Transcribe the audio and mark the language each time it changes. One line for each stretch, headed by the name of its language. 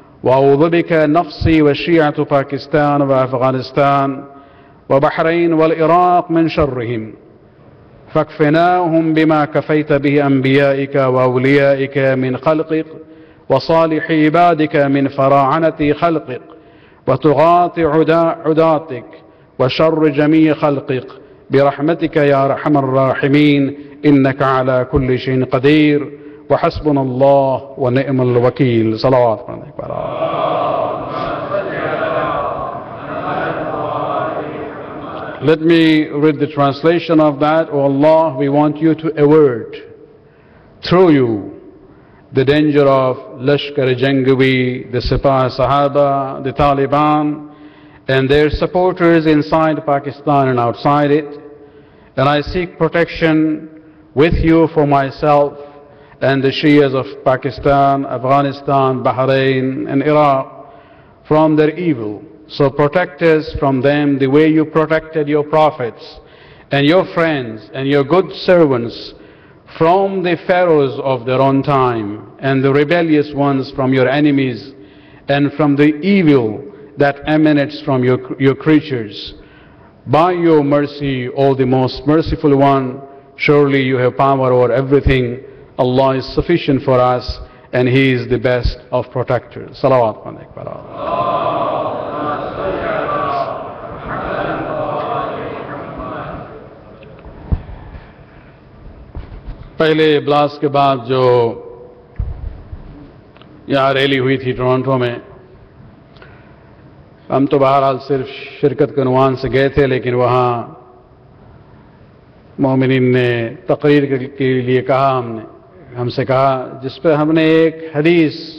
Arabic: وأعوذ بك نفسي وشيعة باكستان وأفغانستان وبحرين والعراق من شرهم فاكفناهم بما كفيت به أنبيائك وأوليائك من خلقك وصالح عبادك من فراعنة خلقك وتغاطي عداتك وشر جميع خلقك برحمتك يا أرحم الراحمين إنك على كل شيء قدير وحسبنا الله ونعم الوكيل صلوات عليك
English: Let me read the translation of that. O Allah, we want you to avert through you the danger of Lashkar-e-Jangawi, the Sipah-e-Sahaba, the Taliban, and their supporters inside Pakistan and outside it. And I seek protection with you for myself and the Shias of Pakistan, Afghanistan, Bahrain, and Iraq from their evil. So protect us from them the way you protected your prophets and your friends and your good servants from the pharaohs of their own time and the rebellious ones from your enemies and from the evil that emanates from your creatures. By your mercy, O the most merciful one, surely you have power over everything. Allah is sufficient for us and He is the best of protectors.
Arabic: Salawat alaikum warahmatullahi
Urdu: پہلے blast کے بعد جو یہاں rally ہوئی تھی Toronto میں ہم تو بہرحال صرف شرکت کے عنوان سے گئے تھے لیکن وہاں مومنین نے تقریر کے لیے کہا ہم سے کہا جس پہ ہم نے ایک حدیث